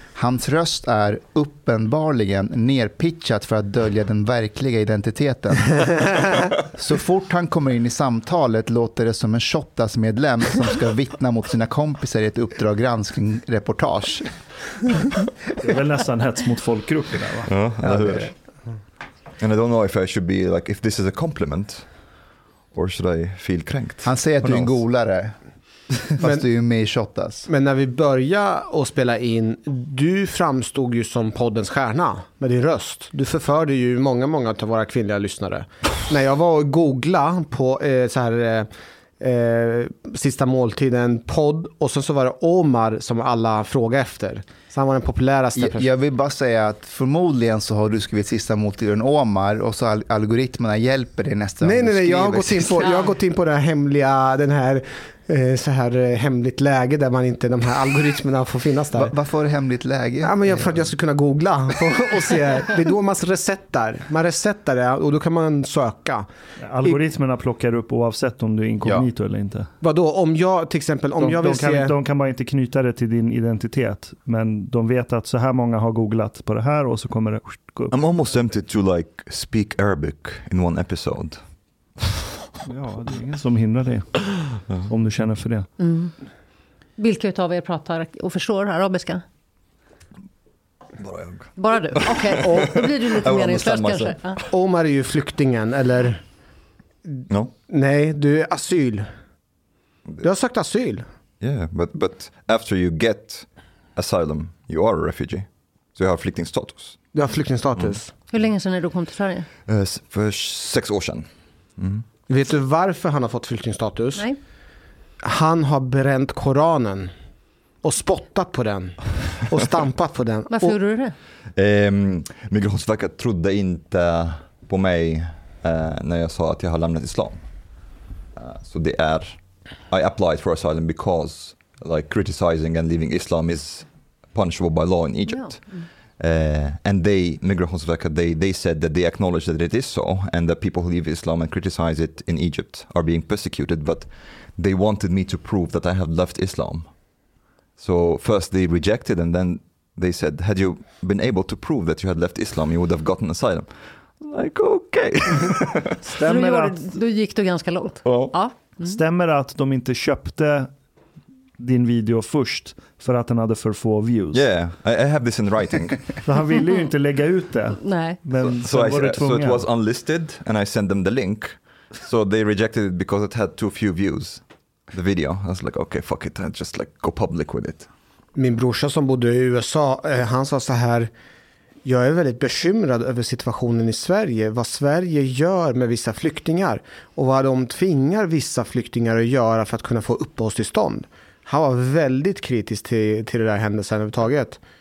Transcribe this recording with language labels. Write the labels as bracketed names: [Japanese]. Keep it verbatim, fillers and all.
[Swedish] Hans röst är uppenbarligen nerpitchat för att dölja den verkliga identiteten. Så fort han kommer in i samtalet låter det som en Shottaz-medlem som ska vittna mot sina kompisar i ett Uppdrag granskning-reportage. Det är väl nästan hets mot folkgrupper där, va? Ja, det är. [English] And I don't know if I should be like if this is a compliment or should I feel kränkt. [Swedish] Han säger att du är en golare. Fast men, du är ju med i Shottaz. Men när vi började att spela in, du framstod ju som poddens stjärna med din röst. Du förförde ju många många av våra kvinnliga lyssnare. När jag var och googla på eh, så här eh, sista måltiden podd och sen så var det Omar som alla frågade efter. Så han var den populäraste. Jag, jag vill bara säga att förmodligen så har du skrivit sista måltiden Omar och så algoritmerna hjälper dig nästan. Nej nej nej, jag har gått in på jag har gått in på den här hemliga den här så här hemligt läge där man inte de här algoritmerna får finnas där. Va, varför är det hemligt läge? Ja, men jag för att jag skulle kunna googla och, och se. Det är då man resettar. Man resettar det och då kan man söka. Algoritmerna I, plockar upp oavsett om du är inkognito ja. Eller inte. Vadå? Om jag till exempel om de, jag vill de kan, se... de kan bara inte knyta det till din identitet, men de vet att så här många har googlat på det här och så kommer det gå upp. [English] I'm almost tempted to like speak Arabic in one episode. [Swedish] Ja, det är ingen som hindrar det. Om du känner för det. Mm. Vilka utav er pratar och förstår arabiska? Bara jag. Bara du? Okej, okay. Då blir du lite mer inslöst kanske. Ja. Omar är ju flyktingen, eller? [English] No. [Swedish] Nej, du är asyl. Du har sökt asyl. [English] Yeah, but, but after you get asylum, you are a refugee. [Swedish] Så jag har flyktingstatus. Du har flyktingstatus. Mm. Hur länge sedan är du kom till Sverige? Uh, för sex år sedan. Mm. Vet du varför han har fått flyktingstatus? Nej. Han har bränt Koranen och spottat på den och stampat på den. Varför och, gjorde du det? Eh, Migrationsverket trodde inte på mig eh, när jag sa att jag har lämnat islam. [English] Uh, [Swedish] så det är [English] I applied for asylum because like criticizing and leaving Islam is punishable by law in Egypt. No. Uh, and they, Migrationsverket, they, they said that they acknowledge that it is so and that people who leave Islam and criticize it in Egypt are being persecuted, but they wanted me to prove that I have left Islam. So first they rejected and then they said, had you been able to prove that you had left Islam, you would have gotten asylum. Like, okay. [Swedish] Stämmer att... Då gick du ganska långt. Oh. Ja. Mm. Stämmer att de inte köpte din video först för att den hade för få views. [English] Yeah, I, I have this in writing. [Swedish] Så han ville ju inte lägga ut det. Nej. Men [English] so, so, I, var so it was unlisted and I sent them the link. So they rejected it because it had too few views. The video. I was like, okay, fuck it. I just like go public with it. [Swedish] Min brorsa som bodde i U S A, han sa så här: jag är väldigt bekymrad över situationen i Sverige. Vad Sverige gör med vissa flyktingar och vad de tvingar vissa flyktingar att göra för att kunna få uppehållstillstånd. Han var väldigt kritisk till, till det där händelsen överhuvudtaget.